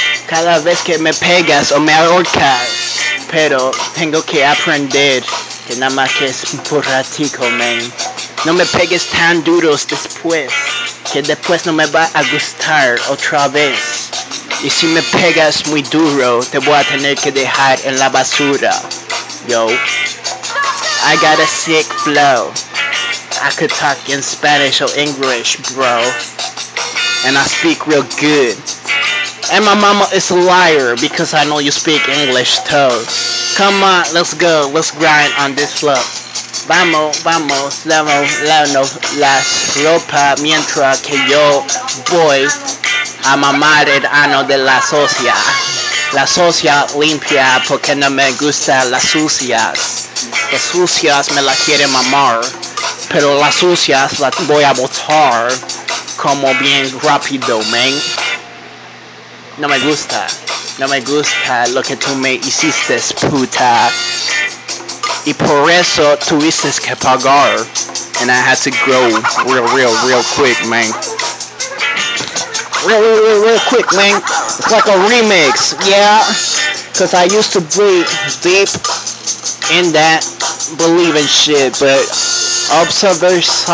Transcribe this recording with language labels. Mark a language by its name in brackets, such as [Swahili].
[Spanish] Cada vez que me pegas o me ahorcas. Pero tengo que aprender que nada más que es por ratico, man. No me pegues tan duros después, que después no me va a gustar otra vez. Y si me pegas muy duro, te voy a tener que dejar en la basura. [English] Yo, I got a sick flow. I could talk in Spanish or English, bro. And I speak real good. And my mama is a liar because I know you speak English too. Come on, let's go, let's grind on this flow. [Spanish] Vamos, vamos, lavamos, lavamos las ropa mientras que yo voy a mamar el ano de la socia. La socia limpia porque no me gustan las sucias. Las sucias me las quieren mamar, pero las sucias las voy a botar como bien rápido, man. No me gusta, no me gusta lo que tú me hiciste, puta. Y por eso tuviste que pagar. [English] And I had to go real quick, man. Real quick, man. It's like a remix, yeah. Cause I used to be deep in that believing shit, but observation.